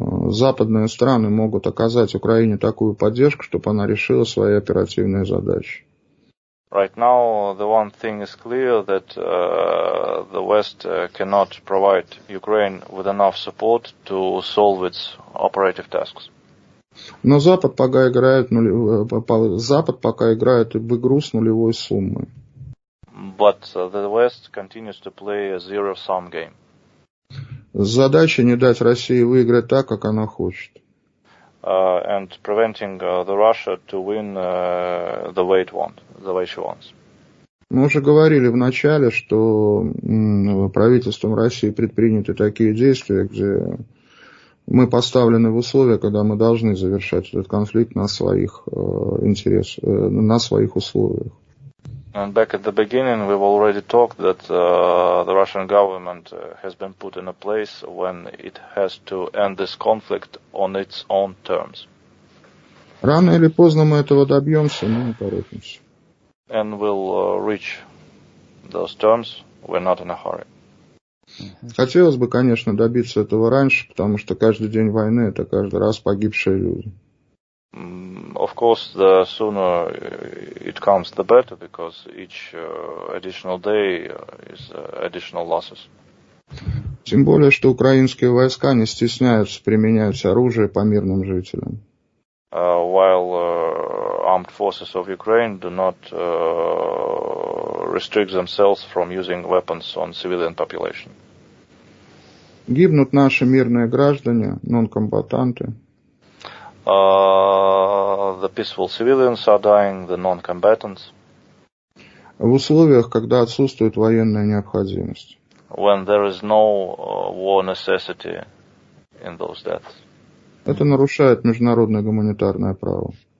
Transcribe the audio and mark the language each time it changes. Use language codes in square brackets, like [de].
[ru] западные страны могут оказать Украине такую поддержку, чтобы она решила свои оперативные задачи? [en] Right now, the one thing is clear that the West cannot provide Ukraine with enough support to solve its operative tasks. [ru] Но Запад пока играет в игру с нулевой суммой. [en] But the West continues to play a zero-sum game. [ru] Задача не дать России выиграть так, как она хочет. [en] And preventing the Russia to win the way it wants, the way she wants. [ru] Мы уже говорили в начале, что правительством России предприняты такие действия, где мы поставлены в условия, когда мы должны завершать этот конфликт на своих интересах, на своих условиях. [en] And back at the beginning, we've already talked that the Russian government has been put in a place when it has to end this conflict on its own terms. [ru] Рано или поздно мы этого добьемся, но не торопимся. [en] And we'll reach those terms. We're not in a hurry. [ru] Хотелось бы, конечно, добиться этого раньше, потому что каждый день войны – это каждый раз погибшие люди. [en] Of course, the sooner it comes, the better, because each additional day is additional losses. [ru] Тем более, что украинские войска не стесняются применять оружие по мирным жителям. [en] While armed forces of Ukraine do not restrict themselves from using weapons on civilian population. [ru] Гибнут наши мирные граждане, нонкомбатанты. [en] The peaceful civilians are dying, the non-combatants. [ru] В условиях, когда отсутствует военная необходимость. [en] When there is no war necessity in those deaths. [ru] Это нарушает международное гуманитарное право.